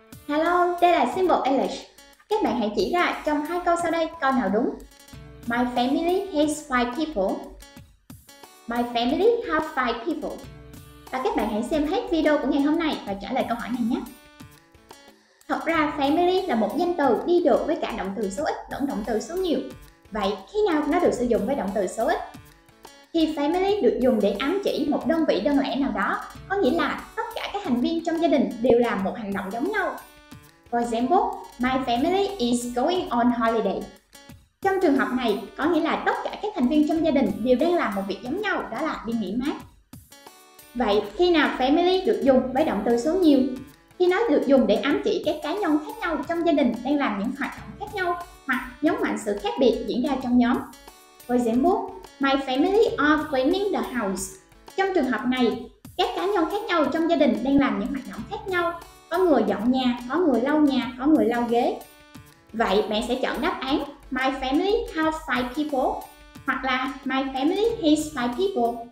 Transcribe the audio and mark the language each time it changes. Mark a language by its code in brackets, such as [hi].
[vi] Hello, đây là Simple English. Các bạn hãy chỉ ra trong hai câu sau đây câu nào đúng. [en] My family has five people. My family have five people. [vi] Và các bạn hãy xem hết video của ngày hôm nay và trả lời câu hỏi này nhé. Thật ra family là một danh từ đi được với cả động từ số ít lẫn động từ số nhiều. Vậy khi nào nó được sử dụng với động từ số ít? Thì family được dùng để ám chỉ một đơn vị đơn lẻ nào đó, có nghĩa là tất cả các thành viên trong gia đình đều làm một hành động giống nhau. [en] For example, my family is going on holiday. [vi] Trong trường hợp này, có nghĩa là tất cả các thành viên trong gia đình đều đang làm một việc giống nhau, đó là đi nghỉ mát. Vậy, khi nào family được dùng với động từ số nhiều? Khi nó được dùng để ám chỉ các cá nhân khác nhau trong gia đình đang làm những hoạt động khác nhau hoặc nhấn mạnh sự khác biệt diễn ra trong nhóm. [en] For example, my family are cleaning the house. [vi] Trong trường hợp này, các cá nhân khác nhau trong gia đình đang làm những hoạt động khác nhau. Có người dọn nhà, có người lau nhà, có người lau ghế. Vậy bạn sẽ chọn đáp án [en] My family has five people [vi] hoặc là My family has five people.